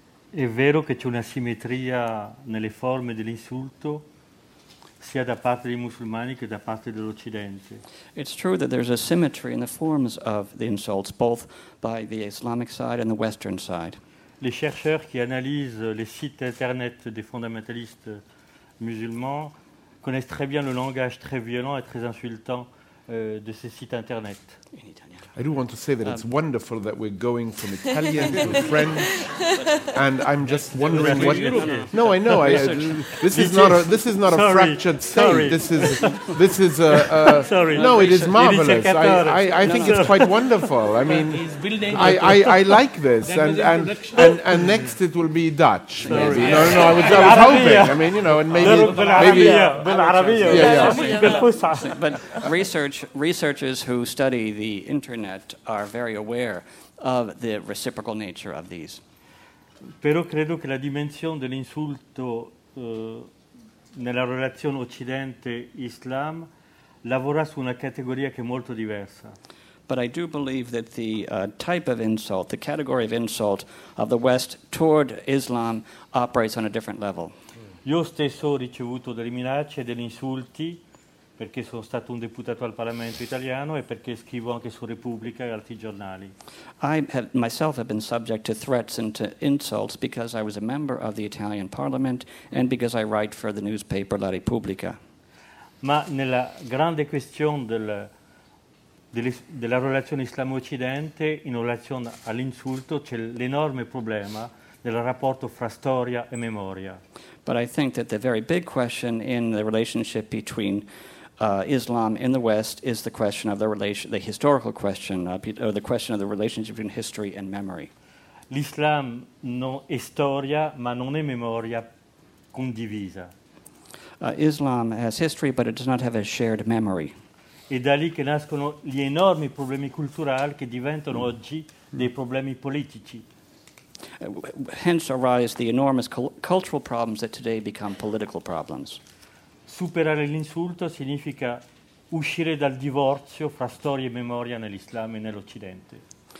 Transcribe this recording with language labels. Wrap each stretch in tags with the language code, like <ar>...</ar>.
<it>È vero che c'è una simmetria nelle forme dell'insulto sia da parte dei musulmani che da parte dell'Occidente.</it> <en>It's true that there's a symmetry in the forms of the insults, both by the Islamic side and the Western side.</en> <fr>Les chercheurs qui analysent les sites internet des fondamentalistes musulmans connaissent très bien le langage très violent et très insultant de ces sites internet.</fr> <en>I do want to say that it's wonderful that we're going from Italian to French, and I'm just wondering what. No, I know. This is not a fractured state. It is marvelous. I think it's quite wonderful. I mean, I like this, and next it will be Dutch. Maybe. No. I was hoping. I mean, you know, and maybe. But researchers who study the internet are very aware of the reciprocal nature of these.</en> <it>Però credo che la dimensione dell'insulto nella relazione Occidente-Islam lavora su una categoria che è molto diversa.</it> <en>but I do believe that the type of insult, the category of insult of the West toward Islam operates on a different level.</en> <it>Io stesso ho ricevuto delle minacce e degli insulti perché sono stato un deputato al Parlamento italiano e perché scrivo anche su Repubblica e altri giornali.</it> <en>I have, myself have been subject to threats and to insults because I was a member of the Italian Parliament and because I write for the newspaper La Repubblica.</en> <it>Ma nella grande questione della relazione Islamo-Occidente, in relazione all'insulto, c'è l'enorme problema del rapporto fra storia e memoria.</it> <en>But I think that the very big question in the relationship between Islam in the West is the question of the historical question of the relationship between history and memory.</en> <it>L'Islam non è storia, ma non è memoria condivisa.</it> <en>Islam has history, but it does not have a shared memory.</en> <it>È da lì che nascono gli enormi problemi culturali che diventano oggi dei problemi politici.</it> <en>Hence arise the enormous cultural problems that today become political problems.</en> <it>Superare l'insulto significa uscire dal divorzio fra storia e memoria nell'Islam e nell'Occidente.</it>